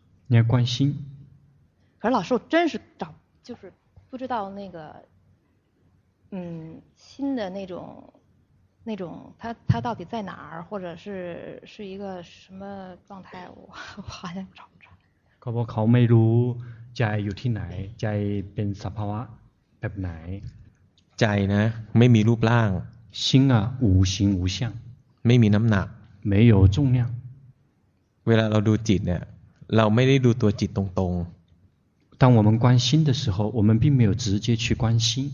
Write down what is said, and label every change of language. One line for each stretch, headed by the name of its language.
Chinese: 你要观心可是老师我真是找就是不知道那个心的那种它到底在哪儿或者是一个什么状态我好像找不着可不可没如
Thai: ใจอยู่ที่ไหนใจเป็นสภาวะแบบไหน ใจนะไม่มีรูปร่าง
Chinese: 心啊无形无相
Thai: ไม่มีน้ำหนัก
Chinese: 没有重量
Thai: เวลาเราดูจิตเนี่ยเราไม่ได้ดูตัวจิตตรง
Chinese: ๆ当我们观心的时候我们并没有直接去观心